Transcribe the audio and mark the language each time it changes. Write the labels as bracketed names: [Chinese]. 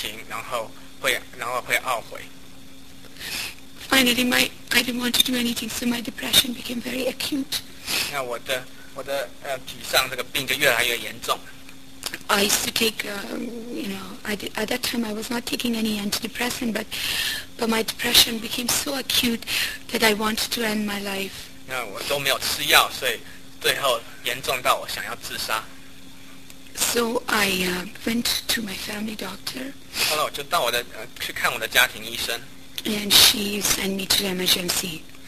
[Chinese] 我整天就是想着这些事情，然后会懊悔。 [English] Finally, I didn't want to do anything, so my depression became very acute. [Chinese] 那我的沮丧这个病就越来越严重。 [English] I used to take, at that time I was not taking any antidepressant, but my depression became so acute that I wanted to end my life. [Chinese] 那我都没有吃药, 所以最后严重到我想要自杀。 [English] So I went to my family doctor. [Chinese] 后来我就去看我的家庭医生。 [English] And she sent me to the emergency.